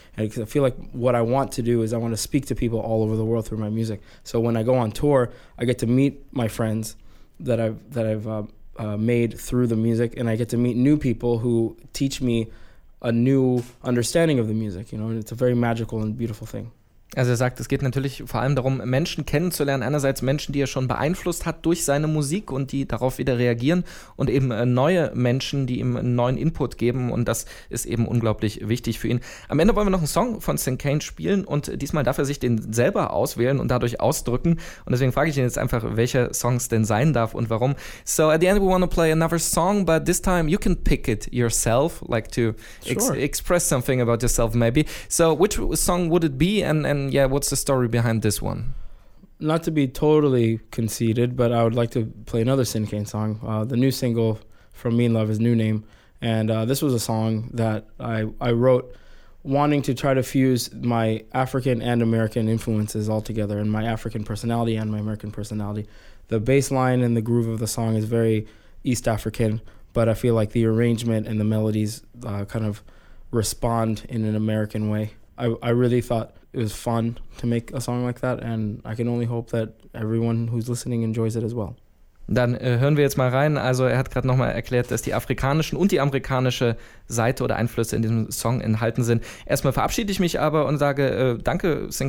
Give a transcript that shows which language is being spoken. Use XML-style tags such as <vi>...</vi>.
<en>And I feel like what I want to do is I want to speak to people all over the world through my music. So when I go on tour, I get to meet my friends that I've made through the music, and I get to meet new people who teach me a new understanding of the music, you know, and it's a very magical and beautiful thing.</en> <de>Also er sagt, es geht natürlich vor allem darum, Menschen kennenzulernen. Einerseits Menschen, die er schon beeinflusst hat durch seine Musik und die darauf wieder reagieren, und eben neue Menschen, die ihm einen neuen Input geben, und das ist eben unglaublich wichtig für ihn. Am Ende wollen wir noch einen Song von St. Cain spielen, und diesmal darf er sich den selber auswählen und dadurch ausdrücken, und deswegen frage ich ihn jetzt einfach, welcher Song es denn sein darf und warum.</de> <en>So at the end we want to play another song, but this time you can pick it yourself, like to express something about yourself maybe. So which song would it be, and yeah, what's the story behind this one? Not to be totally conceited, but I would like to play another St. Cain song. The new single from Mean Love is New Name. And this was a song that I wrote wanting to try to fuse my African and American influences all together, and my African personality and my American personality. The bass line and the groove of the song is very East African, but I feel like the arrangement and the melodies kind of respond in an American way. I really thought it was fun to make a song like that, and I can only hope that everyone who's listening enjoys it as well.</en> <de>Dann hören wir jetzt mal rein. Also er hat gerade nochmal erklärt, dass die afrikanischen und die amerikanische Seite oder Einflüsse in diesem Song enthalten sind. Erstmal verabschiede ich mich aber und sage danke, St.</de>